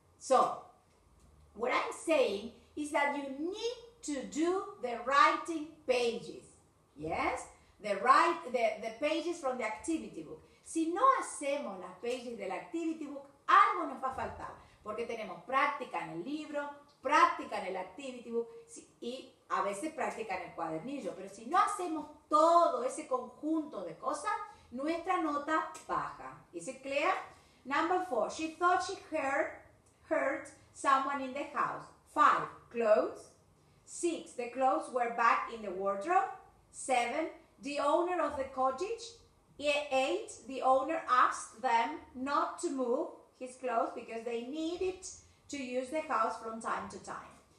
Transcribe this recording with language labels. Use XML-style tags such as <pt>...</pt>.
<en>So, what I'm saying is that you need to do the writing pages, yes? The pages from the activity book.</en> <es>Si no hacemos las pages del activity book, algo nos va a faltar, porque tenemos práctica en el libro, práctica en el activity book y a veces práctica en el cuadernillo. Pero si no hacemos todo ese conjunto de cosas, nuestra nota baja. ¿Es claro?</es> <en>Number four, she thought she heard someone in the house. Five, clothes. Six, the clothes were back in the wardrobe. Seven, the owner of the cottage. Eight, the owner asked them not to move his clothes because they needed to use the house from time to time.</en>